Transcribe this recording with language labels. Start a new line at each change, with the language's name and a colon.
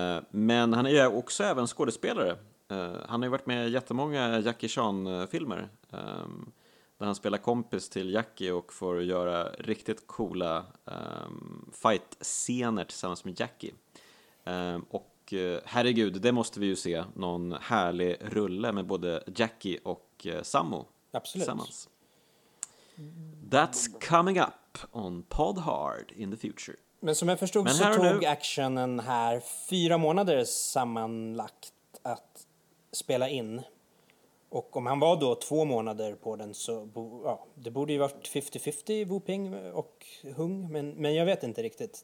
Swedish: Men han är ju också även skådespelare. Han har ju varit med i jättemånga Jackie Chan-filmer där han spelar kompis till Jackie och får göra riktigt coola fight-scener tillsammans med Jackie. Och herregud, det måste vi ju se, någon härlig rulle med både Jackie och Sammo. Absolut. Tillsammans.
English: That's coming up on Pod Hard in the future.
Swedish: Men som jag förstod så tog actionen här 4 månader sammanlagt att spela in. Och om han var då 2 månader på den så ja, det borde ju varit 50-50 Wu-Ping och Hung, men jag vet inte riktigt.